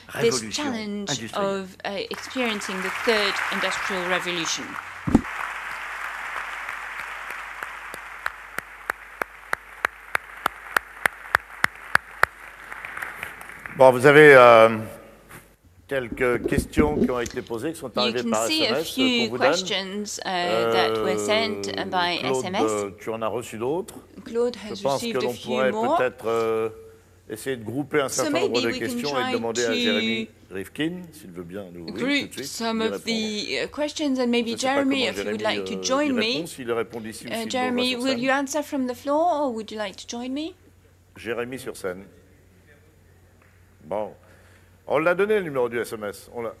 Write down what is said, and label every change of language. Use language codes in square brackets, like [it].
[en] experiencing the third industrial revolution. [fr] Bon, vous avez quelques questions qui ont été posées, qui sont arrivées par SMS. [en] You can see a few questions that were sent by Claude, SMS. [fr] Tu en as reçu d'autres. [en] Claude has received a few more. [fr] Je pense que l'on pourrait peut-être essayer de grouper un certain nombre de questions et de demander à Jérémy Rifkin, s'il veut bien nous ouvrir tout de suite, [en] some of the questions and maybe Jeremy, if you would like to join me. [fr] S'il répond ici, [en] Jeremy, will you answer from the floor or would you like to join me? [fr] Jérémy sur scène. Bon, on l'a donné le numéro du SMS.